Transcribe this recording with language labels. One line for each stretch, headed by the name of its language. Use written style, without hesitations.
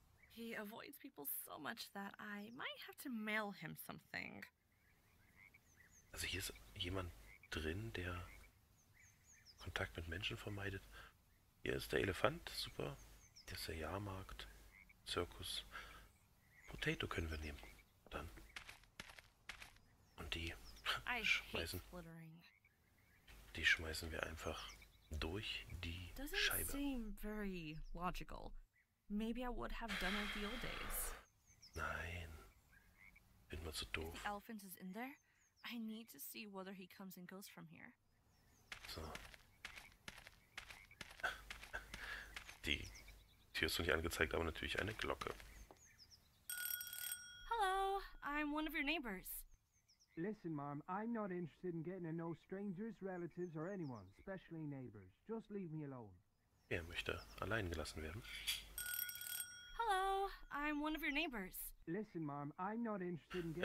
English: He avoids people so much that I might have to mail him something.
German: Also hier ist jemand drin, der Kontakt mit Menschen vermeidet. Hier ist der Elefant, super. Hier ist der Jahrmarkt, Zirkus. Potato können wir nehmen. Dann. Und die schmeißen. Die schmeißen wir einfach durch die Scheibe.
English: Doesn't seem very logical. Maybe I would have done it the old days.
German: Nein. Bin mal zu doof.
English: The elephant is in there. I need to see whether he comes and goes from here.
German: So. Die Tür ist noch nicht angezeigt, aber natürlich eine Glocke.
English: Hello, I'm one of your neighbors. Listen, Mom, I'm not interested in getting to know strangers, relatives or anyone, especially neighbors. Just leave me alone.
German: Er möchte allein gelassen werden.
English: Hello, I'm one of your neighbors. Listen, Mom, I'm not interested in getting...